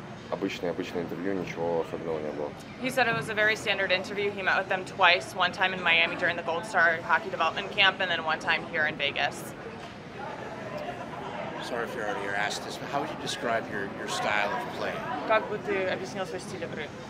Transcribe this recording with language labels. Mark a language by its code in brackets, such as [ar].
[ru] Обычное интервью, ничего особенного не было. [en] He said it was a very standard interview. He met with them twice, one time in Miami during the Gold Star Hockey Development Camp, and then one time here in Vegas. Sorry if you already asked this, but how would you describe your style of play? [ru] Как бы ты объяснил свой стиль игры?